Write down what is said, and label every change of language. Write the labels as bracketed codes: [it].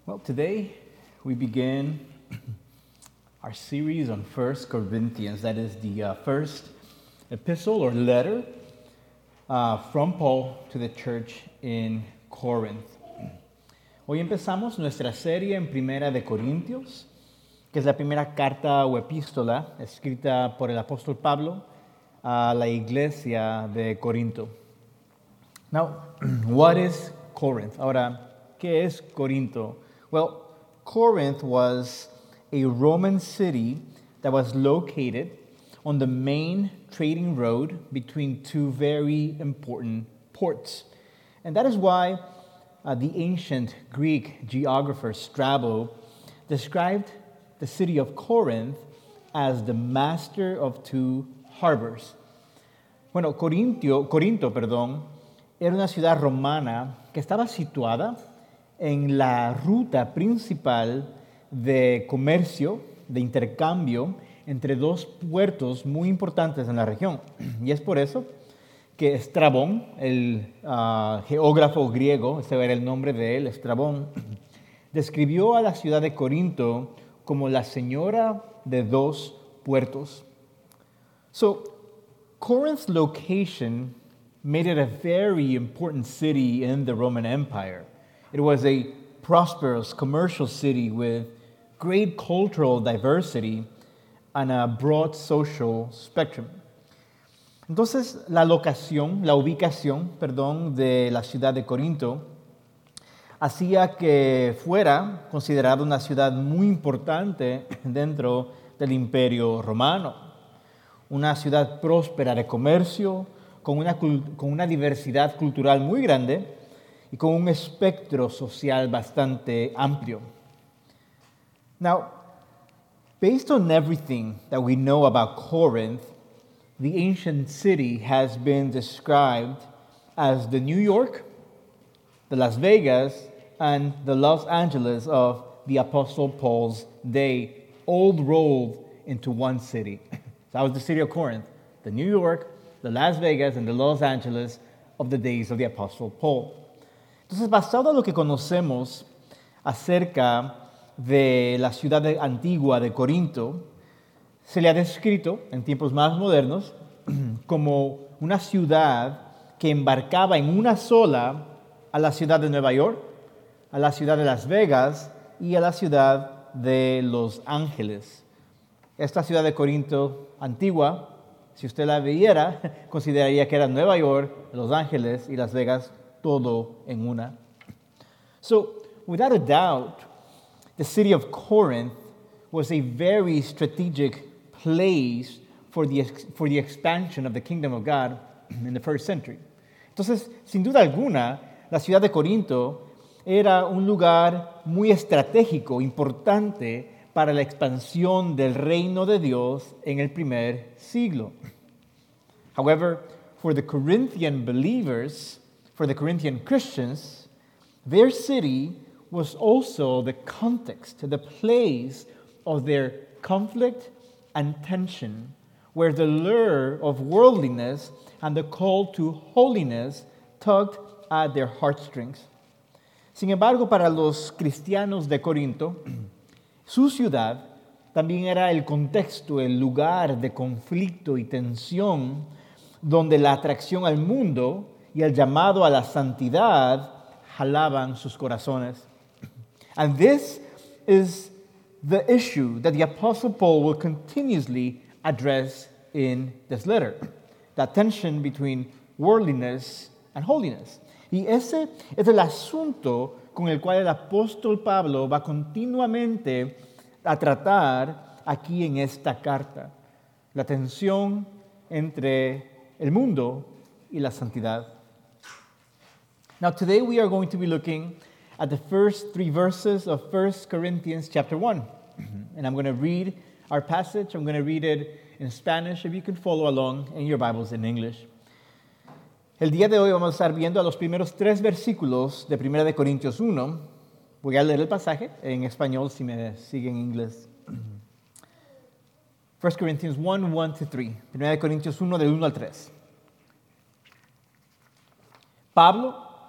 [en] Well, today we begin our series on 1 Corinthians. That is the first epistle or letter from Paul to the church in Corinth. [es] Hoy empezamos nuestra serie en Primera de Corintios, que es la primera carta o epístola escrita por el apóstol Pablo a la iglesia de Corinto. [en] Now, what is Corinth? [es] Ahora, ¿qué es Corinto? [en] Well, Corinth was a Roman city that was located on the main trading road between two very important ports. And that is why the ancient Greek geographer Strabo described the city of Corinth as the master of two harbors. [es] Bueno, Corinto, era una ciudad romana que estaba situada en la ruta principal de comercio, de intercambio, entre dos puertos muy importantes en la región. Y es por eso que Estrabón, el geógrafo griego, ese era el nombre de él, Estrabón, describió a la ciudad de Corinto como la señora de dos puertos. [en] So, Corinth's location made it a very important city in the Roman Empire. It was a prosperous commercial city with great cultural diversity and a broad social spectrum. [es] Entonces, la ubicación, de la ciudad de Corinto hacía que fuera considerada una ciudad muy importante dentro del Imperio Romano. Una ciudad próspera de comercio, con una diversidad cultural muy grande, y con un espectro social bastante amplio. [en] Now, based on everything that we know about Corinth, the ancient city has been described as the New York, the Las Vegas, and the Los Angeles of the Apostle Paul's day, all rolled into one city. So that was the city of Corinth, the New York, the Las Vegas, and the Los Angeles of the days of the Apostle Paul. [es] Entonces, basado en lo que conocemos acerca de la ciudad antigua de Corinto, se le ha descrito en tiempos más modernos como una ciudad que embarcaba en una sola a la ciudad de Nueva York, a la ciudad de Las Vegas y a la ciudad de Los Ángeles. Esta ciudad de Corinto antigua, si usted la viera, consideraría que era Nueva York, Los Ángeles y Las Vegas, todo en una. [en] So, without a doubt, the city of Corinth was a very strategic place for the expansion of the kingdom of God in the first century. [es] Entonces, sin duda alguna, la ciudad de Corinto era un lugar muy estratégico, importante para la expansión del reino de Dios en el primer siglo. [en] However, for the Corinthian believers, for the Corinthian Christians, their city was also the context, the place of their conflict and tension, where the lure of worldliness and the call to holiness tugged at their heartstrings. [es] Sin embargo, para los cristianos de Corinto, su ciudad también era el contexto, el lugar de conflicto y tensión, donde la atracción al mundo y el llamado a la santidad jalaban sus corazones. [en] And this is the issue that the Apostle Paul will continuously address in this letter. That tension between worldliness and holiness. [es] Y ese es el asunto con el cual el apóstol Pablo va continuamente a tratar aquí en esta carta. La tensión entre el mundo y la santidad. [en] Now, today we are going to be looking at the first three verses of 1 Corinthians chapter 1. And I'm going to read our passage. I'm going to read it in Spanish, if you can follow along in your Bibles in English. [es] El día de hoy vamos a estar viendo a los primeros tres versículos de 1 de Corintios 1. Voy a leer el pasaje en español si me sigue en inglés. [en] 1 Corinthians 1, 1 to 3. [es] 1 de Corintios 1, del 1 al 3. Pablo,